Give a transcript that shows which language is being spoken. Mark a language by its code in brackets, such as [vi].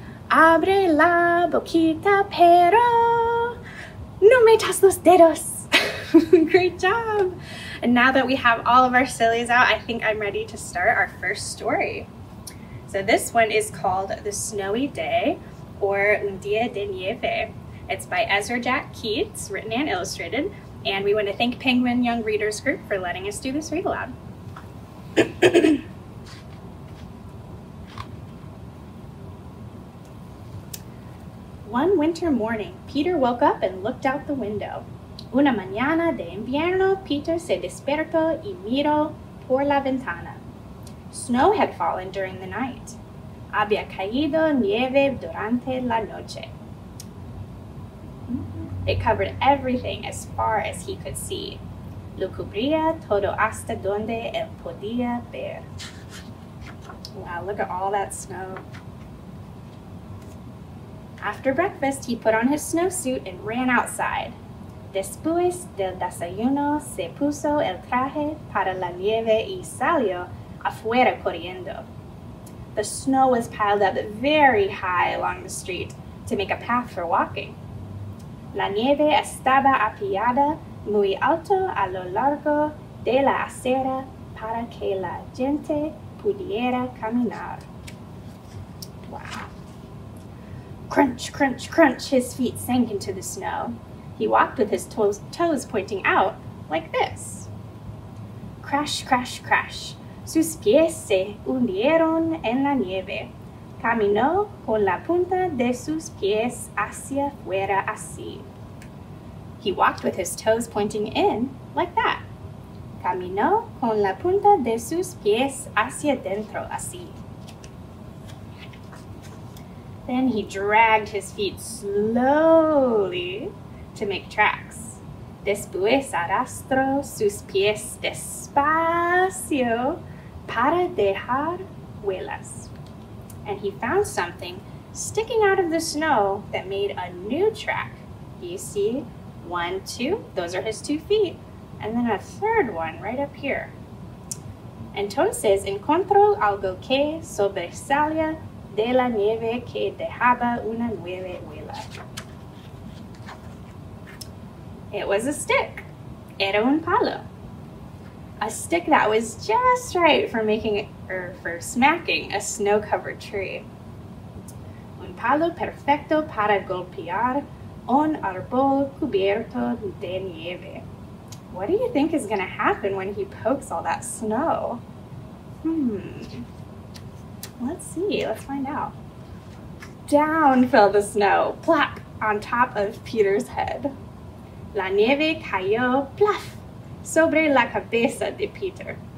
[es] Abre la boquita, pero no metas los dedos. [en] Great job. And now that we have all of our sillies out, I think I'm ready to start our first story. So this one is called The Snowy Day, or Un Día de Nieve. It's by Ezra Jack Keats, written and illustrated. And we want to thank Penguin Young Readers Group for letting us do this read aloud. One winter morning, Peter woke up and looked out the window. [es] Una mañana de invierno, Peter se despertó y miró por la ventana. [en] Snow had fallen during the night. [es] Había caído nieve durante la noche. [en] It covered everything as far as he could see. [es] Lo cubría todo hasta donde él podía ver. [en] Wow, look at all that snow. After breakfast, he put on his snowsuit and ran outside. [es] Después del desayuno, se puso el traje para la nieve y salió afuera corriendo. [en] The snow was piled up very high along the street to make a path for walking. [es] La nieve estaba apilada muy alto a lo largo de la acera para que la gente pudiera caminar. [en] Wow. Crunch, crunch, crunch, his feet sank into the snow. He walked with his toes pointing out, like this. [es] Crash, crash, crash. Sus pies se hundieron en la nieve. Caminó con la punta de sus pies hacia fuera así. [en] He walked with his toes pointing in, like that. [es] Caminó con la punta de sus pies hacia dentro así. [en] Then he dragged his feet slowly to make tracks. [es] Después arrastró sus pies despacio para dejar huellas. [en] And he found something sticking out of the snow that made a new track. You see, one, two, those are his 2 feet. And then a third one right up here. [es] Entonces encontró algo que sobresalía de la nieve que dejaba una nueva huella. [en] It was a stick. [es] Era un palo. [en] A stick that was just right for making or for smacking a snow-covered tree. [es] Un palo perfecto para golpear un árbol cubierto de nieve. [en] What do you think is going to happen when he pokes all that snow? Let's see. Let's find out. Down fell the snow, plop, on top of Peter's head. [es] La nieve cayó, plaf, sobre la cabeza de Peter.